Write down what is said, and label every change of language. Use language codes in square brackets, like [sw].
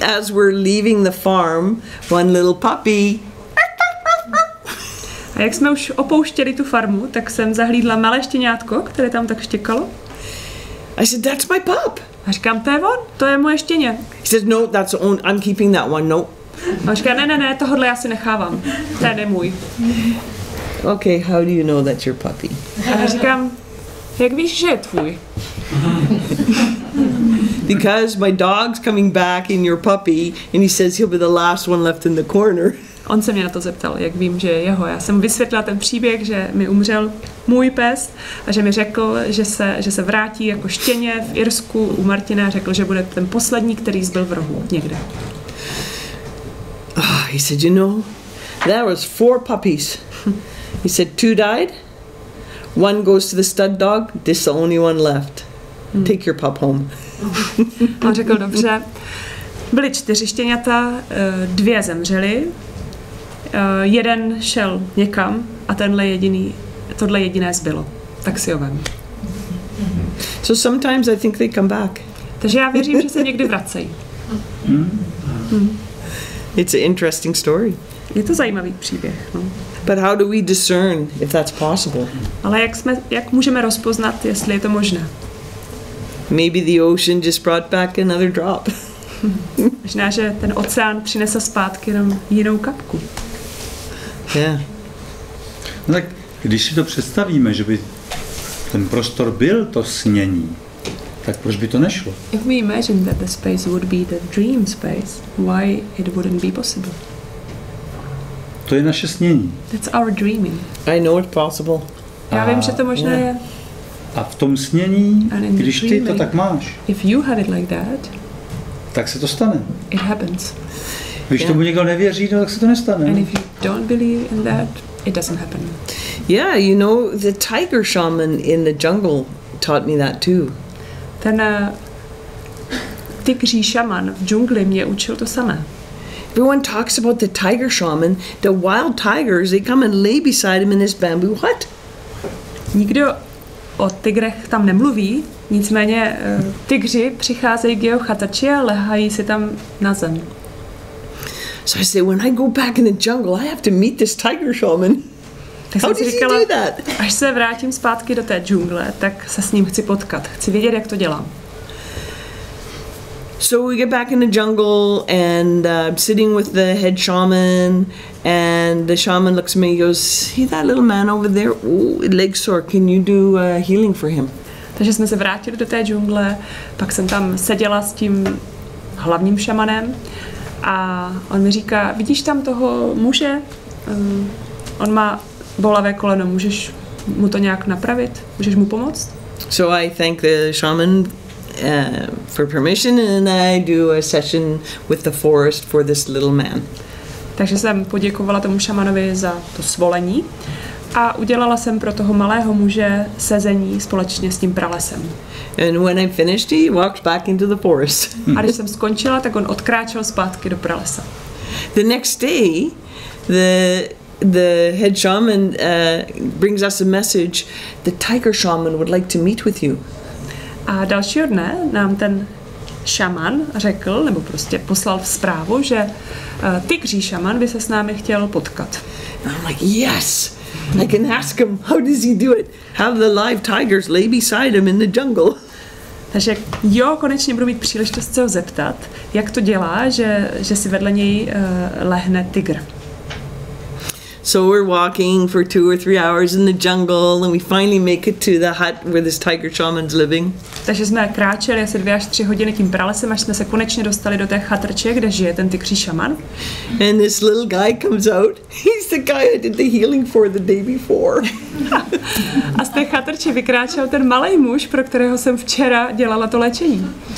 [en] As we're leaving the farm, one little puppy. [cs] A jak jsme už opouštěli tu farmu, tak jsem zahlídla malé štěňátko, které tam tak štěkalo. [en] I said, that's my pup. [cs] A říkám, to je on, to je moje štěně. [en] He said, no, that's on, I'm keeping that one, no. [cs] A říká, ne, tohle já si nechávám, ten je můj. [en] Okay, how do you know that's your puppy? [cs] A říkám, jak víš, že je tvůj? [en] Because my dog's coming back in your puppy, and he says he'll be the last one left in the corner. [cs] on se mě na to zeptal, jak vím, že je jeho. Já jsem vysvětlila ten příběh, že mi umřel můj pes a že mi řekl, že se vrátí jako štěně v Irsku u Martina, řekl, že bude ten poslední, který zbyl v rohu někde. [en] Oh, he said, you know, there was four puppies. He said, two died, one goes to the stud dog, this is the only one left. Take your pup home. [cs] A řekl, dobře. Byly čtyři štěňata, dvě zemřely, jeden šel někam a tenhle jediný, tohle jediné zbylo. Tak si ho vem. [en] So sometimes I think they come back. [cs] Takže já věřím, že se někdy vracejí. [en] It's an interesting story. [cs] Je to zajímavý příběh. No. [en] But how do we discern if that's possible? [cs] Ale jak můžeme rozpoznat, jestli je to možné? [en] Maybe the ocean just brought back another drop. [cs] Možná, že ten oceán přinesl zpátky jenom jinou kapku. [en] Yeah. [cs] No tak, když si to představíme, že by ten prostor byl to snění, tak proč by to nešlo? [en] If we imagine that the space would be the dream space, why it wouldn't be possible? [cs] To je naše snění. [en] That's our dreaming. I know it's possible. [cs] Já vím, že to možná je. A v tom snění, když ty to tak máš, [en] if you had it like that, [cs] tak se to stane. [en] It happens. [cs] Když tomu někdo nevěří, tak se to nestane. [en] And if you don't believe in that, it doesn't happen. Yeah, you know, the tiger shaman in the jungle taught me that too. [cs] Ten tygří šaman v džungli mě učil to samé. [en] Everyone talks about the tiger shaman, the wild tigers, they come and lay beside him in his bamboo hut. [cs] Nikdo o tygrech tam nemluví, nicméně tygři přicházejí k jeho chatači a lehají si tam na zem. [en] So I say, when I go back in the jungle, I have to meet this tiger shaman. How did he do that? [cs] Až se vrátím zpátky do té džungle, tak se s ním chci potkat. Chci vědět, jak to dělám. [en] So we get back in the jungle and I'm sitting with the head shaman and the shaman looks at me and goes, see that little man over there? Ooh, leg sore. Can you do a healing for him? [cs] Takže jsme se vrátili do té džungle, pak jsem tam seděla s tím hlavním šamanem a on mi říká, vidíš tam toho muže? On má bolavé koleno, můžeš mu to nějak napravit? Můžeš mu pomoct? [en] So I thank the shaman for permission and I do a session with the forest for this little man. [cs] Takže jsem poděkovala tomu šamanovi za to svolení a udělala jsem pro toho malého muže sezení společně s tím pralesem. [en] And when I finished, he walked back into the forest. [cs] A když jsem skončila, tak on odkráčel zpátky do pralesa. [en] The next day, the head shaman brings us a message. The tiger shaman would like to meet with you. [cs] A dalšího dne nám ten šaman řekl, nebo prostě poslal v zprávu, že tygří šaman by se s námi chtěl potkat. [en] And I'm like, yes, I can ask him, how does he do it? Have the live tigers lay beside him in the jungle. [cs] Takže jo, konečně budu mít příležitost se ho zeptat, jak to dělá, že si vedle něj lehne tygr. [en] So we're walking for 2 or 3 hours in the jungle and we finally make it to the hut where this tiger shaman's living. [cs] Takže jsme kráčeli asi 2 až 3 hodiny tím pralesem, až jsme se konečně dostali do té chatrče, kde žije ten tygří šaman. [en] And this little guy comes out. He's the guy I did the healing for the day before. [cs] A z té chatrče vykráčel ten malej muž, pro kterého jsem včera dělala to léčení.